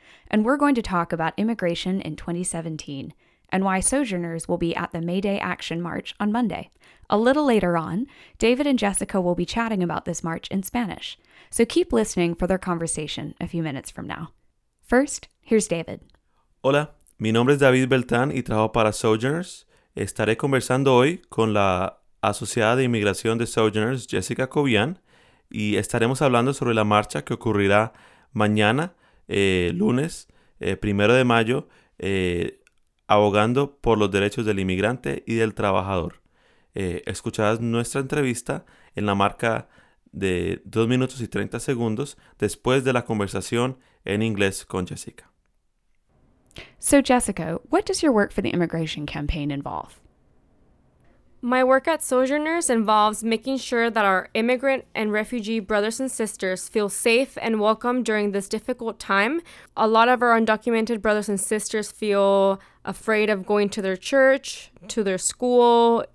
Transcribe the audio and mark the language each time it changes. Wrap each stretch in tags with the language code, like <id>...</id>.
<en>And we're going to talk about immigration in 2017 and why Sojourners will be at the May Day Action March on Monday. A little later on, David and Jessica will be chatting about this march in Spanish, so keep listening for their conversation a few minutes from now. First, here's David.</en> <es>Hola, mi nombre es David Beltran y trabajo para Sojourners. Estaré conversando hoy con la asociada de inmigración de Sojourners, Jessica Kobian, y estaremos hablando sobre la marcha que ocurrirá mañana, lunes, primero de mayo, abogando por los derechos del inmigrante y del trabajador. Escucharás nuestra entrevista en la marca de 2 minutos y 30 segundos después de la conversación en inglés con Jessica.</es> <en>So Jessica, what does your work for the immigration campaign involve? My work at Sojourners involves making sure that our immigrant and refugee brothers and sisters feel safe and welcome during this difficult time. A lot of our undocumented brothers and sisters feel afraid of going to their church, to their school.</en>